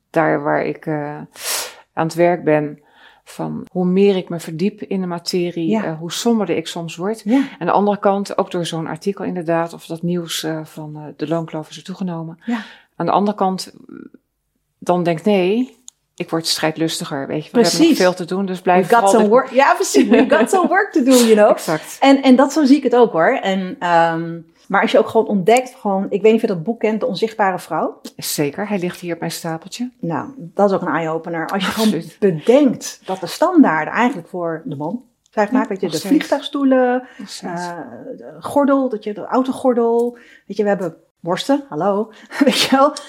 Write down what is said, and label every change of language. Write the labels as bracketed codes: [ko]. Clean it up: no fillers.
[nl] Daar waar ik aan het werk ben, van hoe meer ik me verdiep in de materie, hoe somberder ik soms word. Ja. En aan de andere kant, ook door zo'n artikel inderdaad, of dat nieuws van de loonkloof is er toegenomen. Ja. Aan de andere kant, dan denk ik, nee, ik word strijdlustiger, weet je. Precies. We hebben nog veel te doen, dus blijf vooral... [en] We got some work to do, you know. [nl] Exact. En dat zo zie ik het ook, hoor. En... Maar als je ook gewoon ontdekt, gewoon, ik weet niet of je dat boek kent, De Onzichtbare Vrouw. Zeker, hij ligt hier op mijn stapeltje. Nou, dat is ook een eye-opener. Als je gewoon bedenkt dat de standaarden eigenlijk voor de man, zeg maar, weet je, de vliegtuigstoelen, de gordel, dat je de autogordel, weet je, we hebben worsten, hallo, weet je wel.